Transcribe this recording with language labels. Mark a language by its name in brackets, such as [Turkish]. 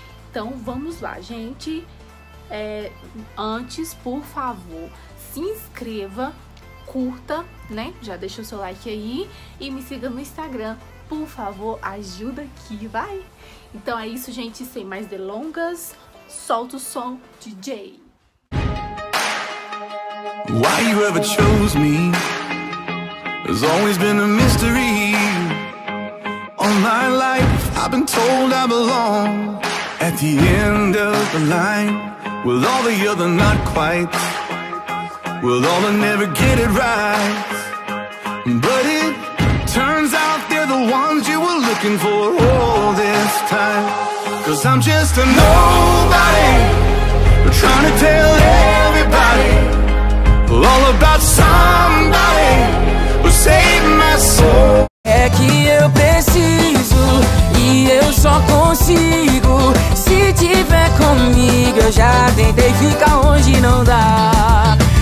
[Portuguese] Então, vamos lá, gente. Antes, por favor, se inscreva. Curta, né? Já deixa o seu like aí e me siga no Instagram, por favor, ajuda aqui, vai! Então é isso, gente, sem mais delongas, solta o som, DJ! [English] Why you ever chose me? There's always been a mystery. All my life I've been told I belong. At the end of the line, with all the other not quite. We'll all never get it right. But it turns out they're the ones you were looking for all this time. Cause I'm just a nobody trying to tell everybody all about somebody who saved my soul. [Portuguese] É que eu preciso e eu só consigo se tiver comigo. Eu já tentei ficar longe, não dá.